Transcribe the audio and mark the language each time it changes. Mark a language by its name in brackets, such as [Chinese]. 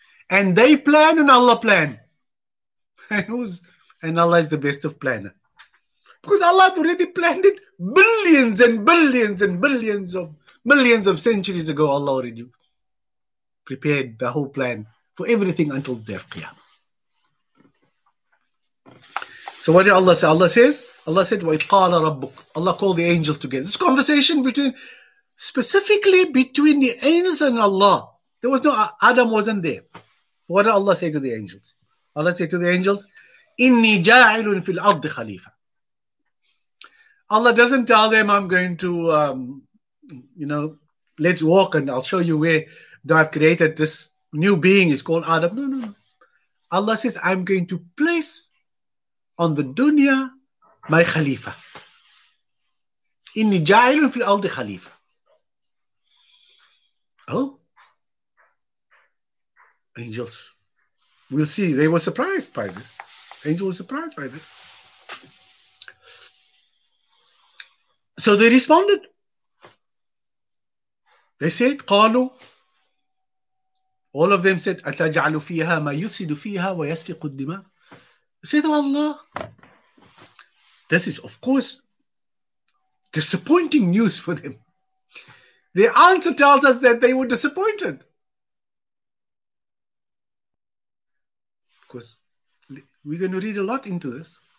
[English] And they plan and Allah plan. And Allah is the best of planner. Because Allah has already planned it billions and billions and millions of centuries ago. Allah already prepared the whole plan for everything until the day of Qiyamah. So what did Allah say? Allah said, [Arabic] وَإِذْ قَالَ رَبُّكَ. [English] Allah called the angels together. This conversation specifically between the angels and Allah. There was no, Adam wasn't there. What did Allah say to the angels? Allah said to the angels, [Arabic] إِنِّي جَاعِلٌ فِي الْأَرْضِ خَلِيفَ. [English] Allah doesn't tell them, I'm going to, let's walk and I'll show you where I've created this new being. It's called Adam. No. Allah says, I'm going to place on the dunya, my khalifa. [Arabic] Inni ja'ilun fil ardi khalifa. [English] Oh. Angels. We'll see. They were surprised by this. Angel was surprised by this. So they responded. They said, [Arabic] قالوا. [English] All of them said, [Arabic] أَتَجْعَلُ فِيهَا مَا يُفْسِدُ فِيهَا وَيَسْفِقُ الدِّمَاء. [English] Said, Allah. This is, of course, disappointing news for them. The answer tells us that they were disappointed. Because we're going to read a lot into this.